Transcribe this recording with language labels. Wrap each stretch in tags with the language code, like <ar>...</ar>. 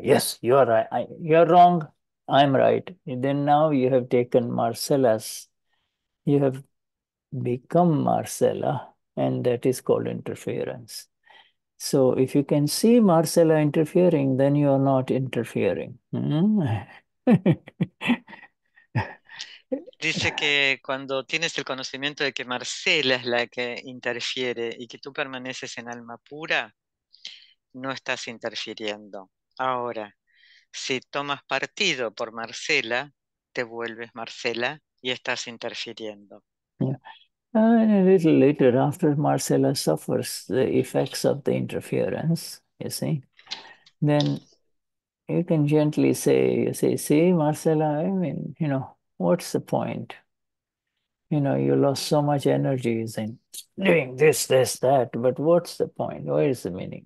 <en>Yes, you are right. You're wrong. I'm right. And then now you have taken Marcella's, you have become Marcella, and that is called interference. So if you can see Marcella interfering, then you are not interfering. Mm-hmm.</en> <es>Dice que cuando tienes el conocimiento de que Marcela es la que interfiere y que tú permaneces en alma pura, no estás interfiriendo. Ahora, si tomas partido por Marcela, te vuelves Marcela y estás interfiriendo.</es> <en>Yeah. And a little later, after Marcela suffers the effects of the interference, you see, then you can gently say, you say, see, Marcela, I mean, you know, what's the point? You know, you lost so much energies in doing this, this, that, but what's the point? What is the meaning?</en>